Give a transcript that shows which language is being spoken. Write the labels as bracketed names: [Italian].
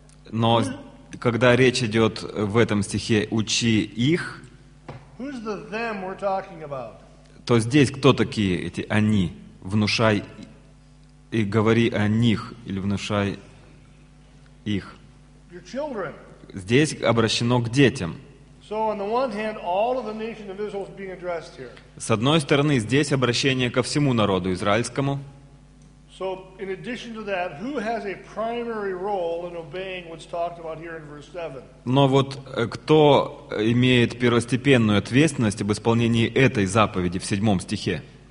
[Russian] но когда речь идет в этом стихе «учи их», [English] who's the them we're talking about? [Russian] То здесь кто такие эти «они»? Внушай и говори о них, или внушай их. [English] Your children. [Russian] Здесь обращено к детям. [English] So on the one hand, all of the nation of Israel is being addressed here. [Russian] С одной стороны, здесь обращение ко всему народу израильскому. [English] So in addition to that, who has a primary role in obeying what's talked about here in verse 7? [Russian] Но вот кто имеет первостепенную ответственность об исполнении этой заповеди в 7 стихе?